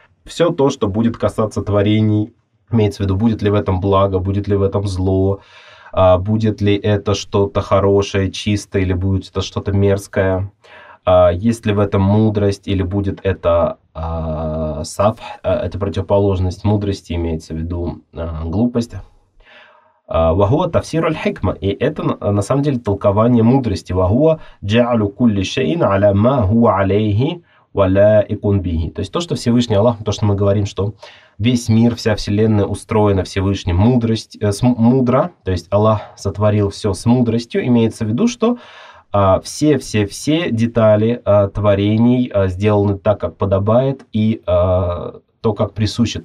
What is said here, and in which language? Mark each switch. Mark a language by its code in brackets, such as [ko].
[ru] Все то, что будет касаться творений, имеется в виду, будет ли в этом благо, будет ли в этом зло, будет ли это что-то хорошее, чистое, или будет это что-то мерзкое, есть ли в этом мудрость, или будет это сафх, это противоположность мудрости, имеется в виду глупость. [ar] وهو تفسير الحكمة، [ru] это на самом деле толкование мудрости. [ar] وهو جعل كل شيء على ما هو عليه ولا يكون به. [ru] То есть то, что Всевышний Аллах, то, что мы говорим, что весь мир, вся вселенная устроена Всевышним мудро, то есть Аллах сотворил все с мудростью, имеется в виду, что все-все-все детали творений сделаны так, как подобает, и то, как присуще.